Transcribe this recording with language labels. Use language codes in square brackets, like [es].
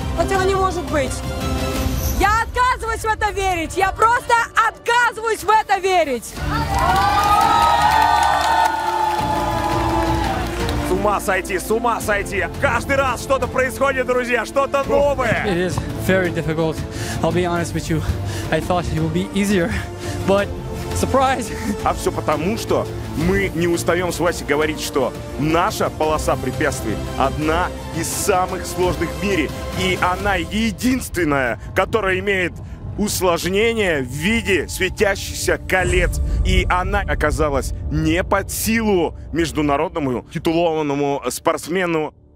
[ru] Этого не может быть. Я отказываюсь в это верить. Я просто отказываюсь в это верить. С ума сойти, с ума сойти. Каждый раз что-то происходит, друзья, что-то новое. [en] It is very difficult. I'll be honest with you. I thought it would be easier, but surprise. [ru] А все потому, что мы не устаем с Васей говорить, что наша полоса препятствий одна из самых сложных в мире. И она единственная, которая имеет усложнение в виде светящихся колец. И она оказалась не под силу международному титулованному спортсмену.